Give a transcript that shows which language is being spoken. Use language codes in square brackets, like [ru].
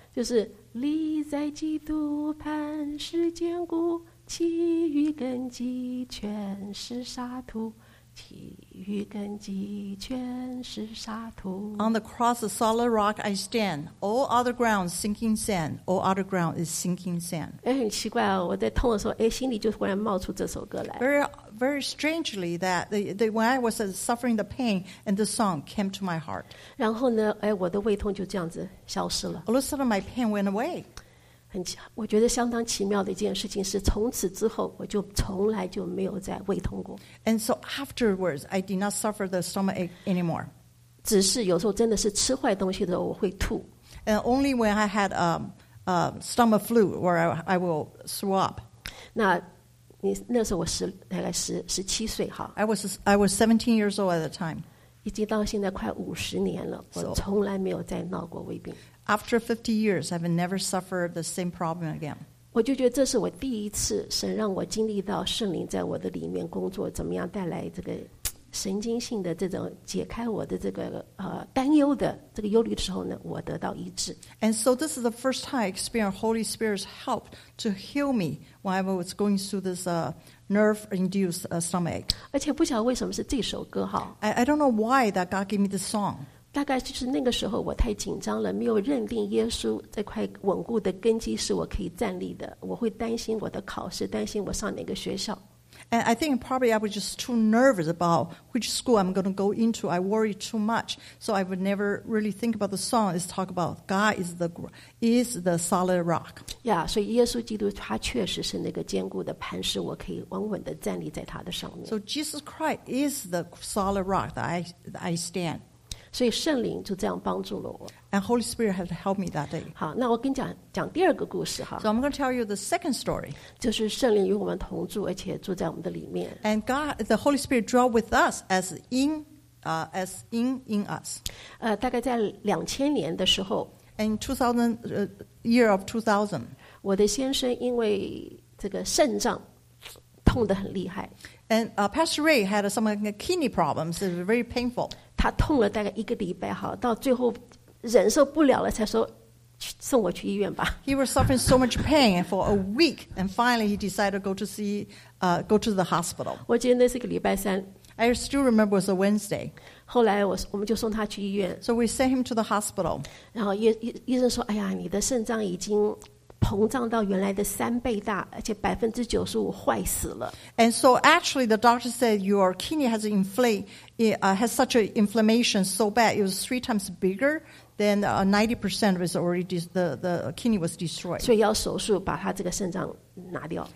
[zh] 就是立在基督磐石坚固其余根基全是沙土其余根基全是沙土 [en] On the cross of solid rock I stand All other ground sinking sand All other ground is sinking sand [zh] 哎，很奇怪哦我在痛的时候哎，心里就忽然冒出这首歌来 [en] Very strangely that when I was suffering the pain and the song came to my heart [zh] 然后呢哎，我的胃痛就这样子消失了 [en] All of a sudden my pain went away [zh] 我觉得相当奇妙的一件事情是从此之后我就从来就没有再胃痛过 [en] And so afterwards I did not suffer the stomach ache anymore [zh] 只是有时候真的是吃坏东西的时候我会吐 [en] And only when I had stomach flu, or I will swap. [zh] 那你那时候我十大概十十七岁哈。 [en] I was 17 years old at the time. [zh] 已经到现在快五十年了，我从来没有再闹过胃病。 [en] After 50 years, I've never suffered the same problem again. [zh] 我就觉得这是我第一次神让我经历到圣灵在我的里面工作，怎么样带来这个神经性的这种解开我的这个担忧的这个忧虑的时候呢，我得到医治。 [en] And so this is the first time I experienced Holy Spirit's help to heal me while I was going through this nerve-induced stomachache. [zh] 而且不晓得为什么是这首歌哈。 [en] I don't know why that God gave me this song. [zh] 大概就是那个时候我太紧张了，没有认定耶稣这块稳固的根基是我可以站立的，我会担心我的考试，担心我上哪个学校。 [en] And I think probably I was just too nervous about which school I'm going to go into. I worry too much, so I would never really think about the song. It's talk about God is the solid rock. [zh] Yeah, 所以耶稣基督他确实是那个坚固的磐石，我可以稳稳地站立在他的上面。 [en] So Jesus Christ is the solid rock that I stand. [zh] 所以圣灵就这样帮助了我。 [en] And Holy Spirit had helped me that day. [zh] 好，那我跟你讲第二个故事哈。 [en] So I'm going to tell you the second story. [zh] 就是圣灵与我们同住，而且住在我们的里面。 [en] And God, the Holy Spirit dwell with us as in us. [zh] 大概在两千年的时候。 [en] In 2000, year of 2000. [zh] 我的先生因为这个肾脏痛得很厉害。 [en] And Pastor Ray had some kidney problems. It was very painful. [zh] 他痛了大概一个礼拜好，到最后忍受不了了，才说送我去医院吧。 [en] He was suffering so much pain for a week, and finally he decided to go to the hospital. [zh] 我记得那是个礼拜三。 [en] I still remember it was a Wednesday. [zh] 后来我们就送他去医院。 [en] So we sent him to the hospital. [zh] 然后医生说：“哎呀，你的肾脏已经膨胀到原来的三倍大，而且95%坏死了。” [en] And so actually the doctor said your kidney has has such an inflammation so bad it was three times bigger than 90% was already the kidney was destroyed. [zh] 所以要手术把他这个肾脏拿掉。